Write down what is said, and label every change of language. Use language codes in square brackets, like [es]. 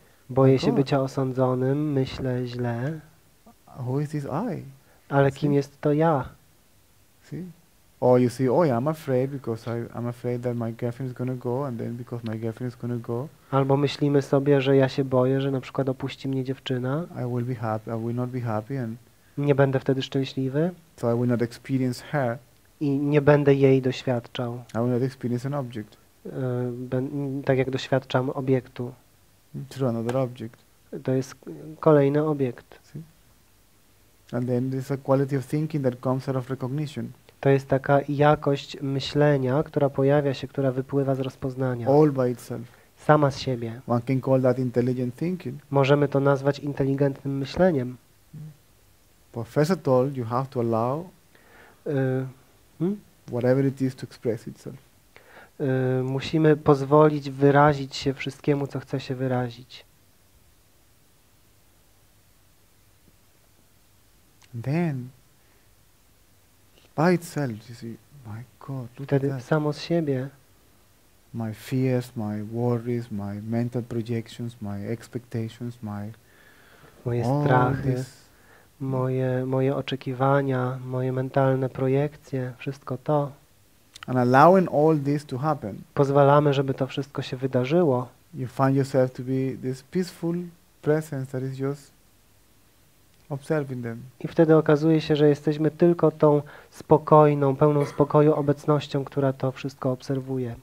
[pl] Boję się bycia osądzonym, myślę źle. [en] Who is this I? [pl] Ale kim jest to ja? [en] See? Or you see, oh yeah, I'm afraid because I'm afraid that my girlfriend is gonna go and then because my girlfriend is gonna go. [pl] Albo myślimy sobie, że ja się boję, że na przykład opuści mnie dziewczyna. [en] I will be happy, I will not be happy and [pl] nie będę wtedy szczęśliwy. [en] So I will not experience her. [pl] I nie będę jej doświadczał. [en] I will not experience an object. [pl] tak jak doświadczam obiektu. [en] To another object. [pl] To jest kolejny obiekt. [en] And then there's a quality of thinking that comes out of recognition. [pl] To jest taka jakość myślenia, która pojawia się, która wypływa z rozpoznania. [en] All by itself. [pl] Sama z siebie. [en] One can call that intelligent thinking. [pl] Możemy to nazwać inteligentnym myśleniem. [en] Professor told you have to allow whatever it is to express itself. [pl] Musimy pozwolić wyrazić się wszystkiemu, co chce się wyrazić. [en] Then, by itself, you see, my God, look [pl] wtedy [en] at that. [pl] Samo z siebie. [en] My fears, my worries, my mental projections, my expectations, my [pl] moje strachy, moje oczekiwania, moje mentalne projekcje, wszystko to. [en] And allowing all this to happen. [pl] Pozwalamy, żeby to wszystko się wydarzyło. [en] You find yourself to be this peaceful presence that is just observing them. [pl] I wtedy okazuje się, że jesteśmy tylko tą spokojną, pełną spokoju obecnością, która to wszystko obserwuje.